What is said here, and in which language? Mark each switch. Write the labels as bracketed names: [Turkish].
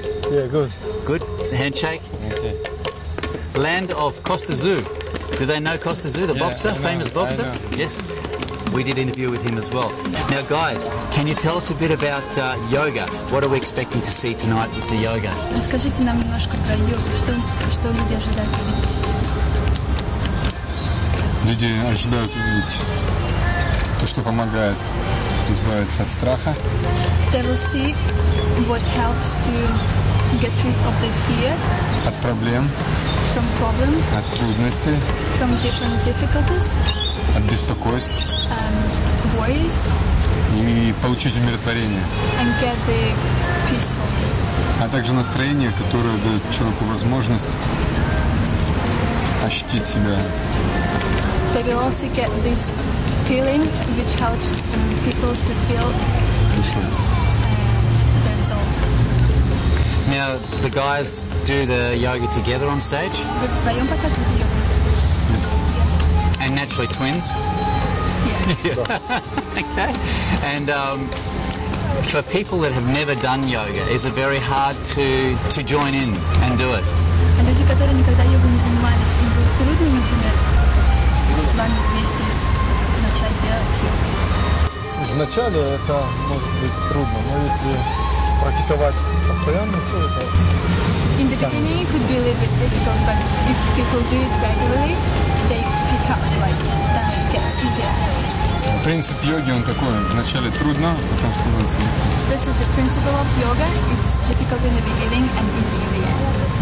[English] Yeah, good. Good? Handshake? Okay. Land of Costa Zoo. Do they know Costa Zoo, boxer, famous boxer? Yes. We did interview with him as well. Now, guys, can you tell us a bit about yoga? What are we expecting to see tonight with the yoga? [Russian] Расскажите нам немножко про йогу. Что люди ожидают увидеть? Люди ожидают увидеть то, что помогает избавиться от страха. [English] They will see what helps to get rid of the fear. [Russian] От проблем. [English] From problems. [Russian] От трудностей. [English] From different difficulties. [Russian] От беспокойств. [English] Worries. [Russian] И получить умиротворение. [English] And get the peacefulness. [Russian] А также настроение, которое дает человеку возможность ощутить себя. [English] They will also get this feeling which helps people to feel [Russian] душой. [English] Their soul. Now, Now, the guys do the yoga together on stage? Yes. And naturally twins? Yeah. Okay. And for people that have never done yoga, is it very hard to join in and do it? [Russian] Люди, которые никогда йогой не занимались, им было трудно, например, с вами вместе начать делать йогу. Вначале это может быть трудно, но если практиковать постоянно, то это... [English] In the beginning it could be a little bit difficult, but if people do it regularly, they pick up, like, that gets easier. [Russian] Принцип йоги, он такой, вначале трудно, потом становится легко. [English] This is the principle of yoga, it's difficult in the beginning and easy in the end.